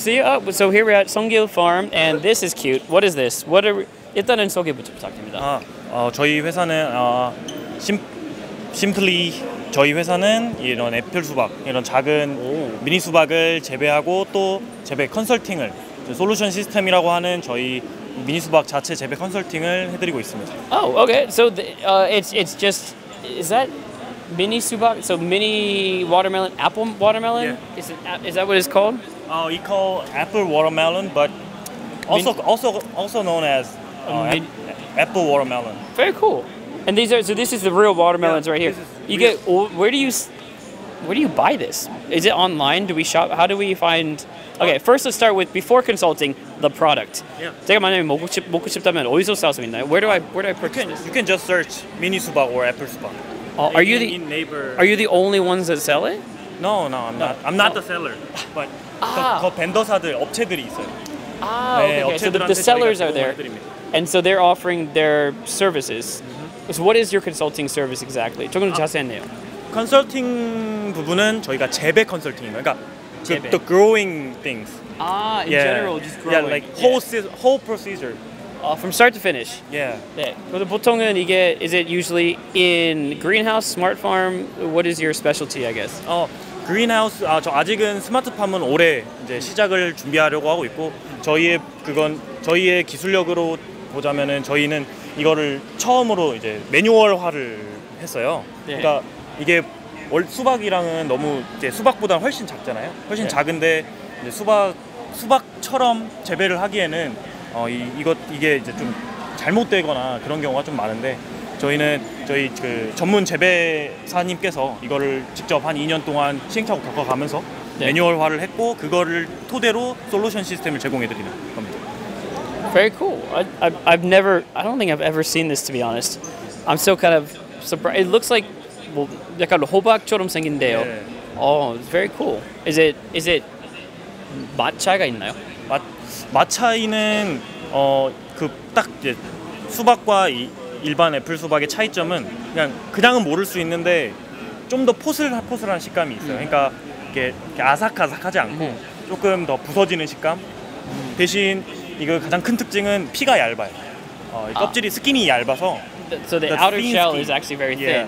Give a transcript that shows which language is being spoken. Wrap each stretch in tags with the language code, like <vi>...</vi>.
<en>See, oh, so here we're at Songil Farm, and this is cute. What is this? What are we?</en> <ko>일단은 소개부터 부탁드립니다. 저희 회사는 심플리 저희 회사는 이런 애플 수박 이런 작은 오. 미니 수박을 재배하고 또 재배 컨설팅을 솔루션 시스템이라고 하는 저희 미니 수박 자체 재배 컨설팅을 해드리고 있습니다.</ko> <en>Oh, okay. So the, it's just is that mini subak? So mini watermelon, apple watermelon? Yeah. Is that what it's called? Oh, it's called apple watermelon, but also known as apple watermelon. Very cool. And these are so this is the real watermelons yeah, right here. Real. You get where do you buy this? Is it online? Do we shop? How do we find? Okay, first let's start with before consulting the product. Yeah.</en> <ko>제가 만약에 먹고 싶다면 어디서 살 수 있나요?</ko> <en>Where do I purchase this? You can just search mini subak or apple subak. Are you the only ones that sell it? No, I'm not the seller. But</en> <ko>더 밴더사들 업체들이 있어요.</ko> <en>Okay. So the sellers are there.</en> <ko>드립니다.</ko> <en>And so they're offering their services. Mm-hmm. So what is your consulting service exactly?</en> <ko>조금 더 자세하네요. 컨설팅 부분은 저희가 재배 컨설팅이에요. 그러니까 재배.</ko> <en>The growing things. In general, just growing. Yeah, like whole procedure. From start to finish. Yeah.</en> <ko>네. 보통은 이게</ko> <en>is it usually in greenhouse, smart farm? What is your specialty, I guess? Greenhouse.</en> <ko>저 아직은 스마트팜은 올해 이제 시작을 준비하려고 하고 있고 저희의 그건 저희의 기술력으로 보자면은 저희는 이거를 처음으로 이제 매뉴얼화를 했어요. 네. 그러니까 이게 수박이랑은 너무 이제 수박보다 훨씬 작잖아요. 훨씬 네. 작은데 이제 수박처럼 재배를 하기에는 이게 이제 좀 잘못되거나 그런 경우가 좀 많은데 저희는 저희 그 전문 재배사님께서 이거를 직접 한 2년 동안 시행착오 겪어가면서 네. 매뉴얼화를 했고 그거를 토대로 솔루션 시스템을 제공해드리는 겁니다.</ko> <en>Very cool. I don't think I've ever seen this to be honest. I'm still kind of surprised. It looks like</en> <ko>뭐 약간 호박처럼 생긴데요. 네.</ko> <en>Oh, it's very cool. Is it</en> <ko>맛차가 있나요? 맛차이는 그 딱 이제 수박과 일반 애플 수박의 차이점은 그냥은 모를 수 있는데 좀 더 포슬포슬한 식감이 있어요. 그러니까 이렇게 아삭아삭하지 않고 조금 더 부서지는 식감. 대신 이거 가장 큰 특징은 피가 얇아요. 껍질이 스킨이 얇아서.</ko> <en>So the outer shell is actually very thin.</en>